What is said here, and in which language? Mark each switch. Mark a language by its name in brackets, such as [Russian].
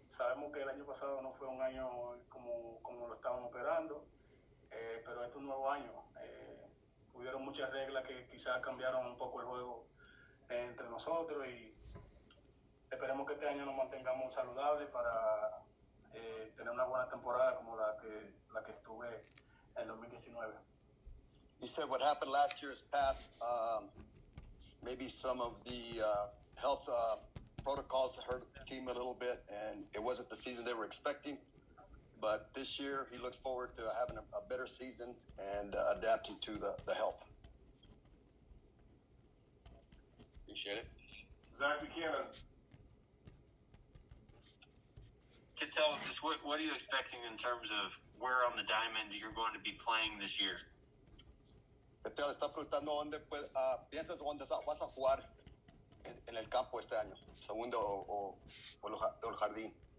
[Spanish] Sabemos que el año pasado no fue un año como lo estaban operando, pero este es un nuevo año. Hubieron muchas reglas que quizás cambiaron un poco el juego entre nosotros, y esperemos que este año nos mantengamos saludables para tener una buena temporada como la que estuve en 2019. [English] You said what happened last year is past. Maybe some of the health protocols hurt the team a little bit, and it wasn't the season they were expecting. But this year, he looks forward to having a better season and adapting to the health. Appreciate it. Zach, you can tell us, what are you expecting in terms of where on the diamond you're going to be playing this year? [Spanish] Petel está preguntando dónde piensas dónde vas a jugar en el campo este año, segundo o el jardín.